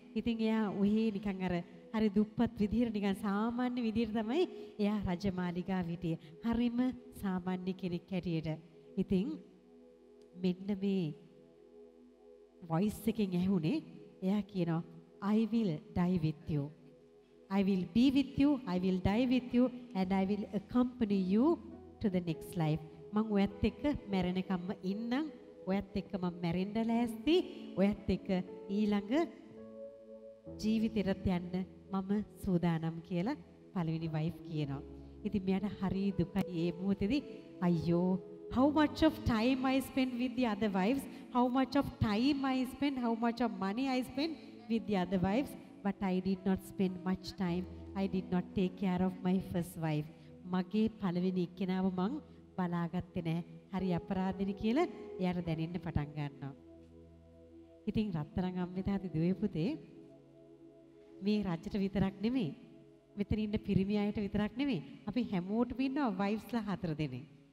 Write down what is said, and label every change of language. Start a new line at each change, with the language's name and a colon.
Sinhala: ඉතින් එයා ඔහේ නිකන් අර හරි දුප්පත් විදිහට, නිකන් සාමාන්‍ය විදිහට තමයි එයා රජමාලිගාව හිටියේ. හරිම සාමාන්‍ය කෙනෙක් හැටියට. ඉතින් මෙන්න මේ වොයිස් එකෙන් ඇහුනේ, එයා කියනවා,
English: I will die with you. I will be with you, I will die with you, and I will accompany you to the next life.
Sinhala: මං ඔයත් එක්ක මැරෙනකම්ම ඉන්නම්, ඔයත් එක්ක මම මැරෙන්න ලෑස්ති, ඔයත් එක්ක ඊළඟ ජීවිතයට යන්න මම සූදානම් කියලා පළවෙනි වයිෆ් කියනවා. ඉතින් මෙයාට හරි දුකයි ඒ මොහොතේදී.
English: අයියෝ, how much of time I spend with the other wives, how much of time I spend, how much of money I spend with the other wives, but I did not spend much time, I did not take care of my first wife.
Sinhala: මගේ පළවෙනි එක්කෙනාව මං බලාගත්තේ නැහැ, හරි අපරාධිනි කියලා එයාට දැනෙන්න පටන් ගන්නවා. ඉතින් රත්තරන් අම්මිතාදී දුවේ පුතේ, මේ රජට විතරක් නෙමෙයි, මෙතන ඉන්න පිරිමි අයට විතරක් නෙමෙයි, අපි හැමෝටම ඉන්නවා වයිෆ්ස්ලා හතර දෙනෙක්.